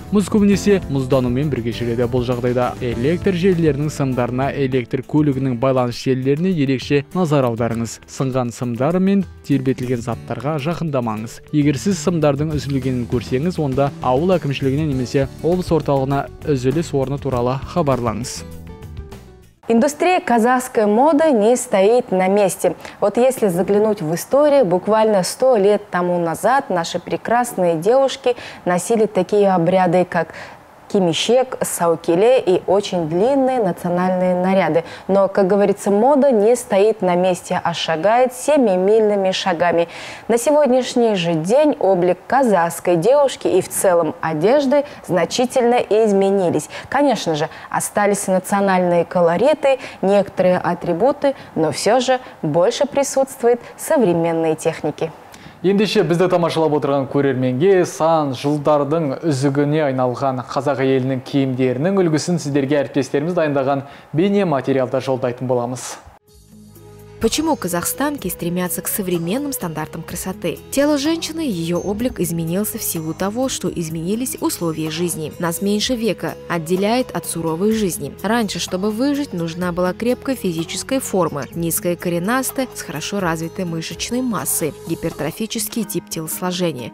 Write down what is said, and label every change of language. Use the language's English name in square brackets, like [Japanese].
[Kazakh] Мұз көбінесе мұздануымен бірге жүреді. Бұл жағдайда электр желілерінің сымдарына, электр көлігінің байланыс желілеріне ерекше назар аударыңыз. Сынған сымдар мен тербетілген заттарға жақындамаңыз. Егер сіз сымдардың үзілгенін көрсеңіз, онда ауыл әкімшілігіне немесе облыс орталығына үзіліс орны туралы хабарлаңыз. [Russian] Индустрия казахской моды не стоит на месте. Вот если заглянуть в историю, буквально 100 лет тому назад наши прекрасные девушки носили такие обряды, как кимишек, саукиле и очень длинные национальные наряды. Но, как говорится, мода не стоит на месте, а шагает семимильными шагами. На сегодняшний же день облик казахской девушки и в целом одежды значительно изменились. Конечно же, остались национальные колориты, некоторые атрибуты, но все же больше присутствуют современные техники. [Kazakh] Ендеше бізді тамашалап отырған көрерменге сан жылдардың үзігіне айналған қазақ елінің киімдерінің үлгісін сіздерге әріптестеріміз дайындаған бейне материалда жолдайтын боламыз. [Russian] Почему казахстанки стремятся к современным стандартам красоты? Тело женщины, ее облик изменился в силу того, что изменились условия жизни. Нас меньше века отделяет от суровой жизни. Раньше, чтобы выжить, нужна была крепкая физическая форма, низкая коренастая, с хорошо развитой мышечной массой, гипертрофический тип телосложения.